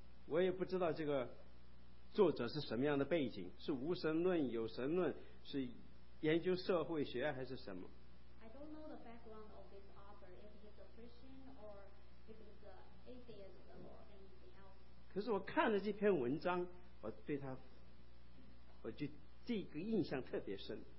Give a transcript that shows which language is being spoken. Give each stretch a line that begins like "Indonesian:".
Chinese: 我也不知道这个作者是什么样的背景，是无神论、有神论，是研究社会学还是什么？
English: don't know the background of this author, if he's a Christian or if he's an atheist or anything else.
Chinese: 可是我看了这篇文章，我对他，我就第一个印象特别深。